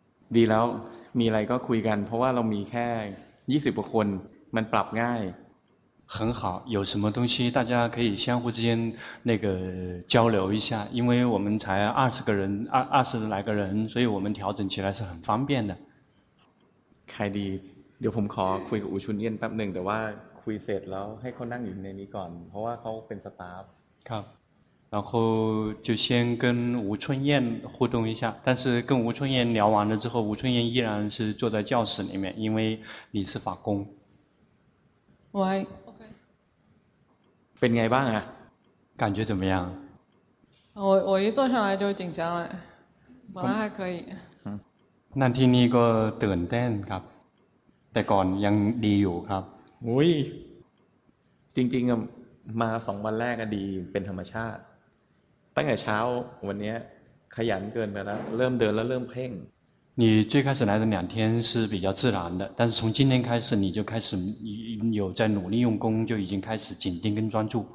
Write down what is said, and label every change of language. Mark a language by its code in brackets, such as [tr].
[th] ดีแล้วมีอะไรก็คุยกันเพราะว่าเรามีแค่20คนมันปรับง่าย [zh] 很好有什么东西大家可以相互之间那个交流一下因为我们才二十来个人所以我们调整起来是很方便的开的 [th] เดี๋ยวผมขอคุยกับอุชุนเนี่ยแป๊บนึงแต่ว่าคุยเสร็จแล้วให้เขานั่งอยู่ในนี้ก่อนเพราะว่าเขาเป็นสตาฟ ครับ [zh] 然后就先跟吴春燕互动一下但是跟吴春燕聊完了之后吴春燕依然是坐在教室里面因为你是法工喂 [th] เป็นไงบ้างอะ [zh] 感觉怎么样我一坐上来就紧张了本来还可以 [th] นั่นที่นี่ก็ตื่นเต้นครับแต่ก่อนยังดีอยู่ครับ อุ้ยจริงๆมา2วันแรกอะดีเป็นธรรมชาติตั้งแต่เช้าวันนี้ขยันเกินไปแล้วเริ่มเดินแล้วเริ่มเพ่ง [zh] 你最开始来的两天是比较自然的但是从今天开始你就开始有在努力用功就已经开始紧盯跟专注